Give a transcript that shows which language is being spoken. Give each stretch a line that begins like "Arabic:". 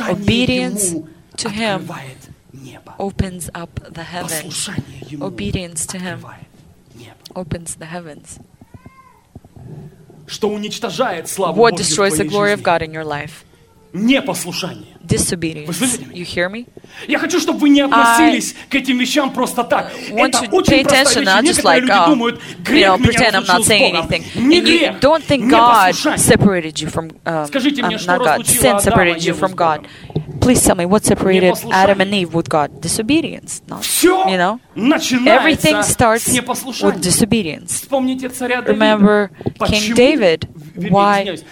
English: Obedience to Him opens up the heavens. Obedience to Him opens the heavens. What destroys the glory of God in your life?
Russian: Непослушание.
English: Disobedience. You hear me?
Russian: Я хочу, чтобы вы не относились к этим вещам просто так. Это очень простая вещь. Некоторые люди думают, грех меня отлучил от Бога. Не грех.
English: Don't think God separated you from not God. Sin separated you from God. Please tell me what separated Adam and Eve with God? Disobedience. Not, you know? Everything starts with disobedience. Remember King David? Why?